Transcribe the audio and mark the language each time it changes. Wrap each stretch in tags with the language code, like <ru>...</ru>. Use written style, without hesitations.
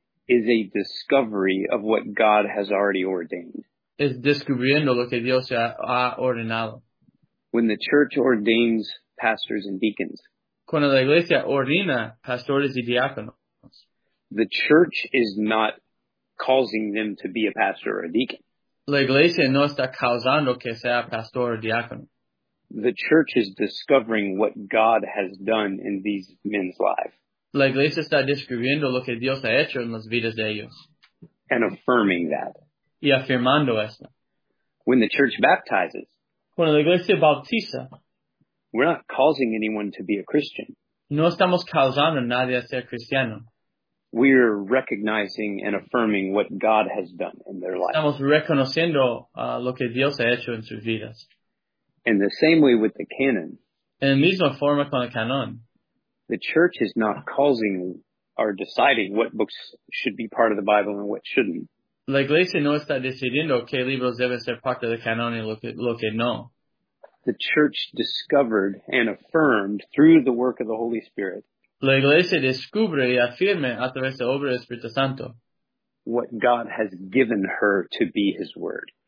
<en>Is a discovery of what God has already ordained.</en> <es>Es descubriendo lo que Dios ya ha ordenado.</es> <en>When the church ordains pastors and deacons.</en> <es>Cuando la iglesia ordena pastores y diáconos.</es> <en>The church is not causing them to be a pastor or a deacon.</en> <es>La iglesia no está causando que sea pastor o diácono.</es> <en>The church is discovering what God has done in these men's lives.</en> <es>La iglesia está describiendo lo que Dios ha hecho en las vidas de ellos.</es> <en>And affirming that.</en> <es>Y afirmando eso.</es> <en>When the church baptizes.</en> <es>Cuando la iglesia bautiza.</es> <en>We're not causing anyone to be a Christian.</en> <es>No estamos causando a nadie a ser cristiano.</es> <en>We're recognizing and affirming what God has done in their life.</en> <es>Estamos reconociendo lo que Dios ha hecho en sus vidas.</es> <en>In the same way with the canon.</en> <es>En la misma forma con el canon.</es> <en>The church is not causing or deciding what books should be part of the Bible and what shouldn't.</en> <es>La iglesia no está decidiendo qué libros deben ser parte del canon y lo que no.</es> <en>The church discovered and affirmed through the work of the Holy Spirit.</en> <es>La iglesia descubre y afirma a través de la obra del Espíritu Santo.</es> <en>What God has given her to be his word.</en>